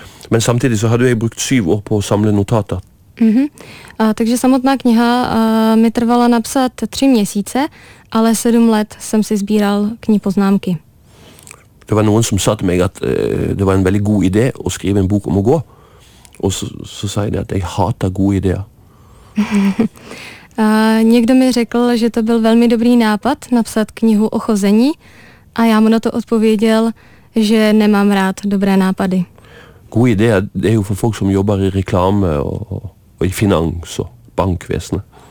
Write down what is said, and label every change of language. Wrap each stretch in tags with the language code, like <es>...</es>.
<no>Men samtidig så hadde jeg brukt 7 år på å samle notater. Mm-hmm.</no> <cs>Takže samotná kniha mi trvala napsat 3 měsíce, ale 7 let jsem si sbíral k ní poznámky.</cs> <no>Det var noen som sa til meg at det var en veldig god idé å skrive en bok om å gå. Og så sa jeg det at jeg hater gode ideer.</no> <cs>Někdo mi řekl, že to byl velmi dobrý nápad napsat knihu o chození a já mu na to odpověděl, že nemám rád dobré nápady.</cs> <no>Gode ideer, det jo for folk som jobber i reklame og i finans og bankvesenet.</no>